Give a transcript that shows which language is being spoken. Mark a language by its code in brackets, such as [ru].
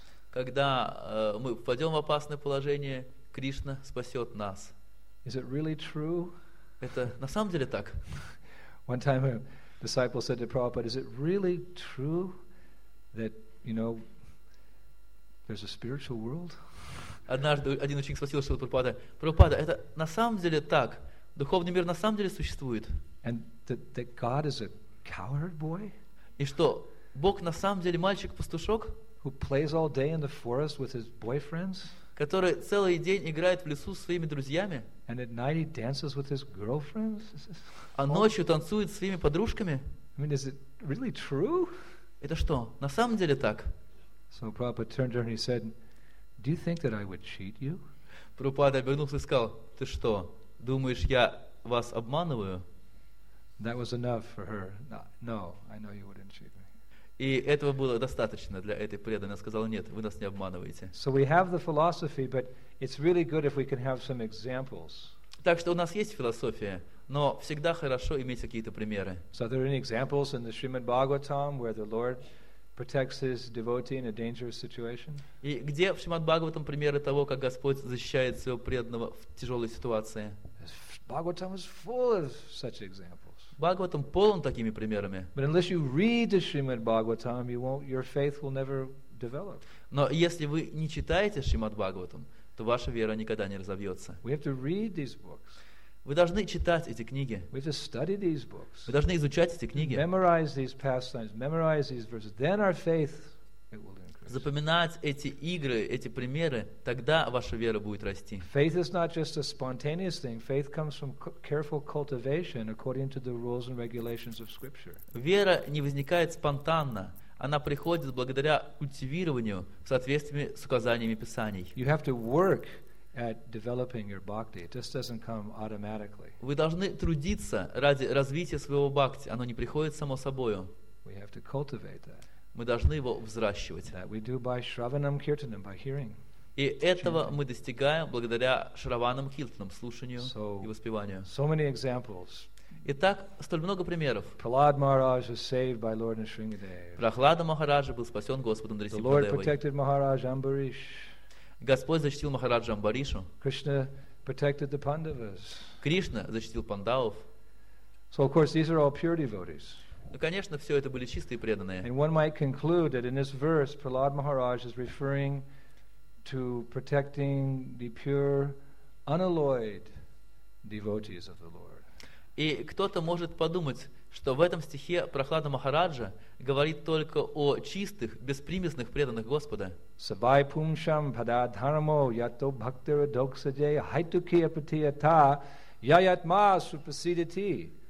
[ru] Когда мы попадем в опасное положение, Кришна спасет нас. [en] Is it really true? [ru] Это на самом деле так? [en] One time a disciple said to Prabhupada, is it really true that, you know, there's a spiritual world? [ru] Однажды один ученик спросил Шрилу Прабхупада: «Прабхупада, это на самом деле так? Духовный мир на самом деле существует?» [en] that God is a coward boy? [ru] И что, Бог на самом деле мальчик-пастушок? [en] Who plays all day in the forest with his boyfriends? [ru] Который целый день играет в лесу с своими друзьями? [en] And at night he dances with his girlfriends? [ru] А ночью танцует с своими подружками? [en] I mean, is it really true? [ru] Это что, на самом деле так? [en] So Prabhupada turned to her and he said, do you think that I would cheat you? [ru] Прабхупада обернулся и сказал: ты что, думаешь, я вас обманываю? [en] That was enough for her. No, I know you wouldn't cheat me. [ru] И этого было достаточно для этой преданной. Она сказала: нет, вы нас не обманываете. [en] So we have the philosophy, but it's really good if we can have some examples. [ru] Так что у нас есть философия, но всегда хорошо иметь какие-то примеры. [en] So are there any examples in the Srimad Bhagavatam where the Lord protects his devotee in a dangerous situation? [ru] И где в Шримад-Бхагаватам примеры того, как Господь защищает своего преданного в тяжелой ситуации? [en] Bhagavatam is full of such examples. [ru] Бхагаватам полон такими примерами. [en] But unless you read the Shrimad-Bhagavatam, your faith will never develop. [ru] Но если вы не читаете Шримад-Бхагаватам, то ваша вера никогда не разовьется. [en] We have to read these books. [ru] Вы должны читать эти книги. [en] We have to study these books. [ru] Вы должны изучать эти книги. [en] Memorize these pastimes, memorize these verses. Then our faith, it will increase. [ru] запоминать эти игры, эти примеры, тогда ваша вера будет расти. [en] Faith is not just a spontaneous thing. Faith comes from careful cultivation according to the rules and regulations of Scripture. [ru] Вера не возникает спонтанно. Она приходит благодаря культивированию в соответствии с указаниями Писаний. [en] You have to work at developing your bhakti. It just doesn't come automatically. [ru] Вы должны трудиться ради развития своего бхакти. Оно не приходит само собою. [en] We have to cultivate that. [ru] Мы должны его взращивать. [en] That we do by shravanam kirtanam, by hearing. [ru] И этого мы достигаем благодаря шраванам киртанам, слушанию и воспеванию. [en] So many examples. [ru] Итак, столь много примеров. [en] Prahlada Maharaj was saved by Lord Nrisimhadeva. [ru] Prahlada Maharaj был спасен Господом Нрисимхадевой. [en] The Lord protected Maharaj Ambarish. [ru] Господь защитил Махараджа Амбаришу. [en] Krishna protected the Pandavas. [ru] Кришна защитил пандавов. [en] So of course these are all pure devotees. [ru] Ну, конечно, все это были чистые преданные. [en] And one might conclude that in this verse Prahlada Maharaj is referring to protecting the pure, unalloyed devotees of the Lord. [ru] И кто-то может подумать, что в этом стихе Прохлада Махараджа говорит только о чистых, беспримесных преданных Господа. [sa] Сабай пумшам пададхармо ято бхактира доксаде ахайтукия пратията яятма супасидити.